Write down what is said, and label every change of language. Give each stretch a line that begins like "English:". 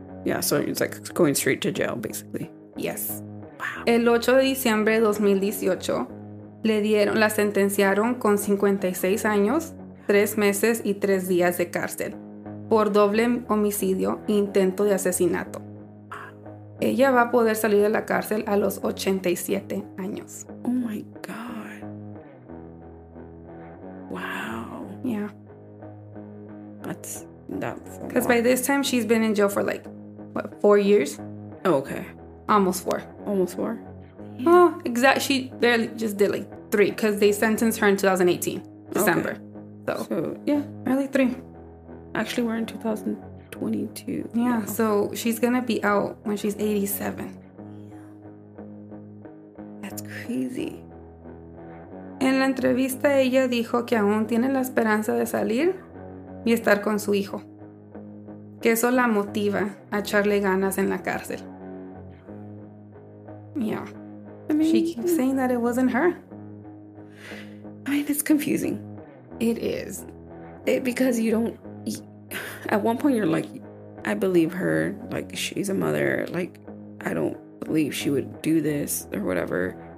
English: Yeah, so it's like going straight to jail, basically. Yes. Wow.
Spanish: El 8 de diciembre de 2018, la sentenciaron con 56 años, 3 meses y 3 días de cárcel. Por doble homicidio e intento de asesinato. Ella va a poder salir de la cárcel a los 87 años.
English: Oh my God. Wow. Yeah. That's. Because by this time she's been in jail for like, 4 years? Okay. Almost four. Yeah. Oh, exactly. She barely just did like 3 because they sentenced her in 2018, December. Okay. So, yeah. Barely 3. Actually, we're in 2022. Yeah, so she's going to be out when she's 87. crazy.
Spanish: En la entrevista, ella dijo que aún tiene la esperanza de salir y estar con su hijo. Que eso la motiva a echarle ganas en la cárcel.
English: Yeah. I mean, she keeps saying that it wasn't her. I mean, it's confusing. It is. It, because you don't... At one point, you're like, I believe her. Like, she's a mother. Like, I don't believe she would do this or whatever.